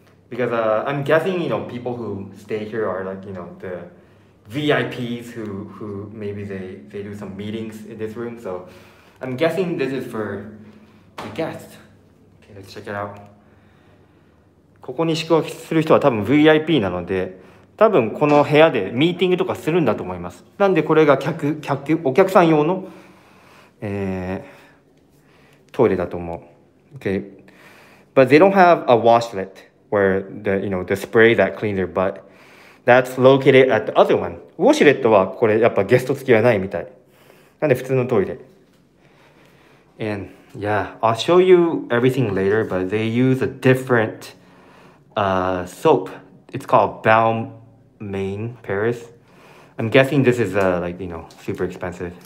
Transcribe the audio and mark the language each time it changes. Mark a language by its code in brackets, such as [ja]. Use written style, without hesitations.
[en] Because I'm guessing, you know, people who stay here are like, you know, the VIPs who maybe they do some meetings in this room. So, I'm guessing this is for the guest. Let's check it out. [ja] ここに宿泊する人は多分 VIP なので多分この部屋でミーティングとかするんだと思います。なんでこれが客お客さん用の、トイレだと思う。 [en] Okay. But they don't have a washlet where the, you know, the spray that cleans their butt. That's located at the other one. [ja] ウォシュレットはこれやっぱゲスト付きはないみたい。なんで普通のトイレ。 [en] And... Yeah, I'll show you everything later, but they use a different soap. It's called Maine, Paris. I'm guessing this is like, you know, super expensive.